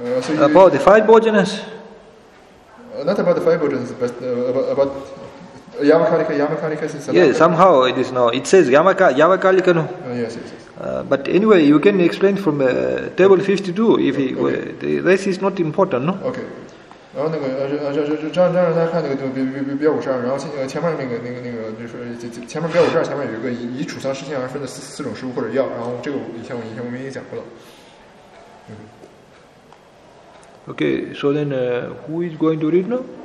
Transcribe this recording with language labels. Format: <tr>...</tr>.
<en>About the five bhojanas? Not about the five bhojanas, but about yamakalika. Yamakalika is yes. Somehow it is now. It says yamakalika. No. Yes. But anyway, you can explain from table 52 if okay. It, well, this is not important, no. Okay.</en> <zh>然后那个就这样大家看那个标五十二，然后前面那个就是前面标五十二前面有一个以储藏湿性而分的四种食物或者药，然后这个以前我们也讲过了。</zh> <en>Okay, so then who is going to read now?</en>